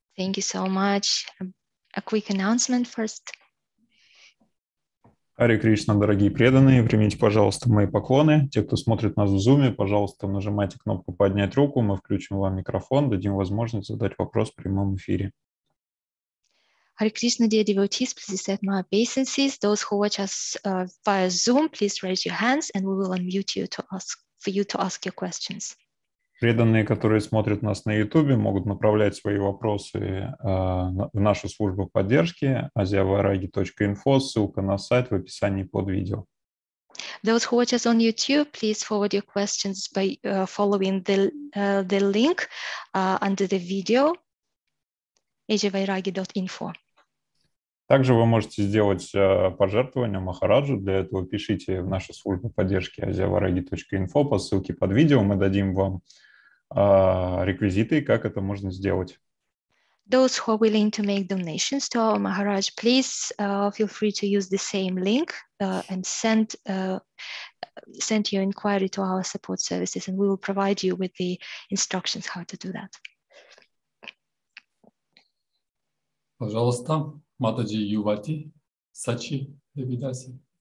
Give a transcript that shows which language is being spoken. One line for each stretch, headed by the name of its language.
English: Thank you so much. A quick announcement first.
Russian: Hare Krishna, дорогие преданные, примите, пожалуйста, мои поклоны. Те, кто смотрит нас в Zoom, пожалуйста, нажимайте кнопку «Поднять руку», мы включим вам микрофон, дадим возможность задать вопрос в прямом эфире.
English: Hare Krishna, dear devotees, please accept my obeisances. Those who watch us via Zoom, please raise your hands and we will unmute you to ask your questions.
Russian: Преданные, которые смотрят нас на YouTube, могут направлять свои вопросы в нашу службу поддержки asiavairagi.info, ссылка на сайт в описании под видео.
English: Those who watch us on YouTube, please forward your questions by following the link under the video asiavairagi.info.
Russian: Также вы можете сделать пожертвование Махараджу. Для этого пишите в нашу службу поддержки asiavairagi.info по ссылке под видео. Мы дадим вам реквизиты, как это можно сделать.
English: Those who are willing to make donations to our Maharaj, please feel free to use the same link and send your inquiry to our support services, and we will provide you with the instructions how to do that.
Russian: Пожалуйста, Матаджи Ювати, Сачи, Девидаси.